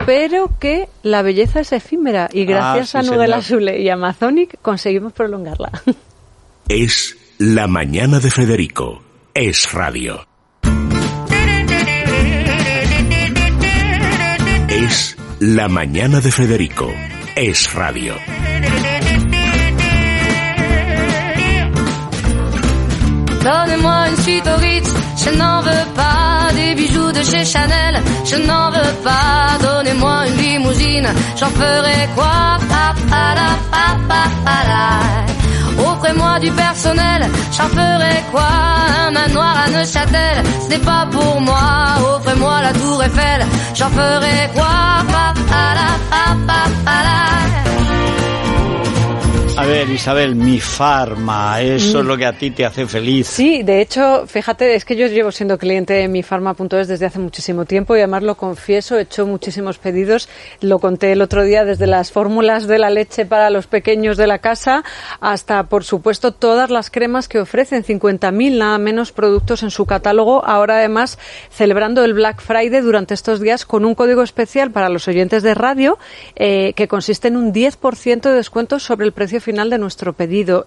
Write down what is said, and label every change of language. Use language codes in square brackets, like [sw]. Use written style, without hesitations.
[es] Pero que la belleza es efímera y gracias a Nouvelan Soulet y Amazonic conseguimos prolongarla. Es la mañana de Federico, es radio. Es la mañana de Federico, es radio. [fr] Donne-moi une suite au Ritz, je n'en veux pas des bijoux de chez Chanel, je n'en veux pas, donnez-moi une limousine, j'en ferai quoi, pa-pa-la-pa-pa-pa-la. Offrez-moi du personnel, j'en ferai quoi, un manoir à Neuchâtel, ce n'est pas pour moi, offrez-moi la tour Eiffel, j'en ferai quoi, pa-pa-la-pa-pa-la. [es] A ver, Isabel, mi farma, eso es lo que a ti te hace feliz. Sí, de hecho, fíjate, es que yo llevo siendo cliente de mifarma.es desde hace muchísimo tiempo y además lo confieso, he hecho muchísimos pedidos, lo conté el otro día, desde las fórmulas de la leche para los pequeños de la casa hasta, por supuesto, todas las cremas que ofrecen, 50.000 nada menos productos en su catálogo, ahora además celebrando el Black Friday durante estos días con un código especial para los oyentes de radio que consiste en un 10% de descuento sobre el precio final de nuestro pedido.